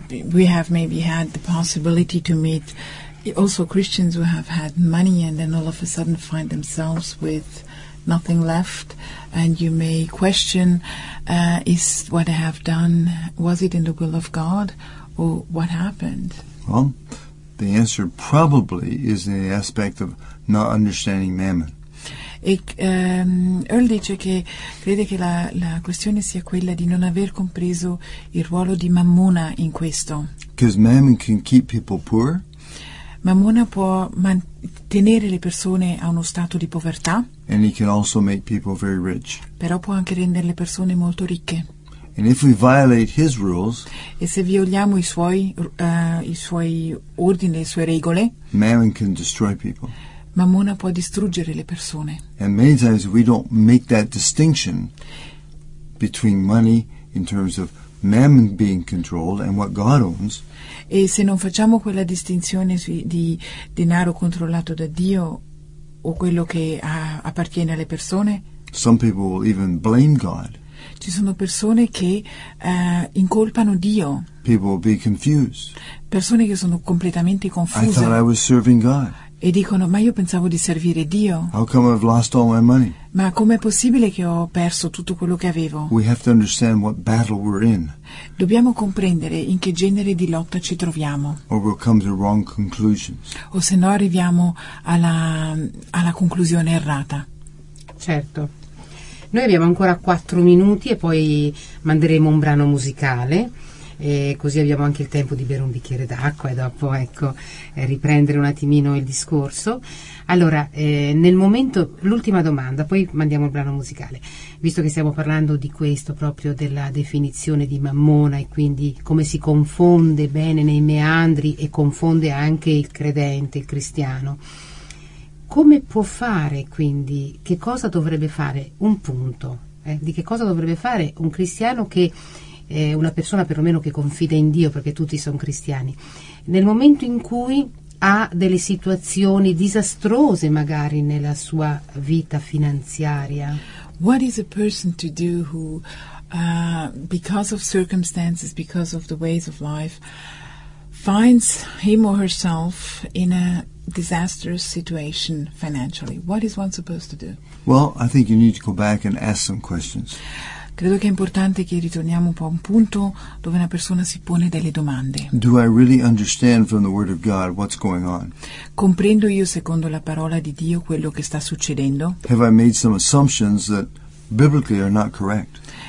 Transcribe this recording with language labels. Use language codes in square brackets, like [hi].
[en] We have maybe had the possibility to meet also Christians who have had money and then all of a sudden find themselves with nothing left, and you may question, is what I have done, was it in the will of God, or what happened? Well, the answer probably is the aspect of not understanding Mammon. [it] Earl dice che crede che la questione sia quella di non aver compreso il ruolo di Mammona in questo. [en] Because Mammon can keep people poor. [it] Mammona può mantenere le persone a uno stato di povertà. [en] And he can also make people very rich. [it] Però può anche rendere le persone molto ricche. [en] And if we violate his rules, [it] e se violiamo i suoi ordini, le sue regole, [en] Mammon can destroy people. [it] Mammona può distruggere le persone. [en] And many times we don't make that distinction between money in terms of Mammon being controlled and what God owns. [it] E se non facciamo quella distinzione di denaro controllato da Dio o quello che appartiene alle persone, [en] some people will even blame God. [it] Ci sono persone che incolpano Dio. [en] People will be confused. [it] Persone che sono completamente confuse. [en] I thought I was serving God. [it] E dicono, ma io pensavo di servire Dio. [en] How come I've lost all my money? [it] Ma com'è possibile che ho perso tutto quello che avevo? [en] We have to understand what battle we're in. [it] Dobbiamo comprendere in che genere di lotta ci troviamo. [en] Or we'll come to wrong conclusions. [it] O se no arriviamo alla conclusione errata. Certo. Noi abbiamo ancora 4 minuti e poi manderemo un brano musicale. E così abbiamo anche il tempo di bere un bicchiere d'acqua e dopo, ecco, riprendere un attimino il discorso. Allora, nel momento, l'ultima domanda, poi mandiamo il brano musicale, visto che stiamo parlando di questo, proprio della definizione di Mammona e quindi come si confonde bene nei meandri e confonde anche il credente, il cristiano. Come può fare, quindi, che cosa dovrebbe fare, un punto, di che cosa dovrebbe fare un cristiano che... una persona perlomeno che confida in Dio, perché tutti sono cristiani, nel momento in cui ha delle situazioni disastrose magari nella sua vita finanziaria. [en] What is a person to do who because of circumstances, because of the ways of life, finds him or herself in a disastrous situation financially? What is one supposed to do? Well, I think you need to go back and ask some questions. [it] Credo che è importante che ritorniamo un po' a un punto dove una persona si pone delle domande. [en] Do I really understand from the Word of God what's going on? [it] Comprendo io secondo la parola di Dio quello che sta succedendo? [en] Have I made some assumptions that biblically are not correct?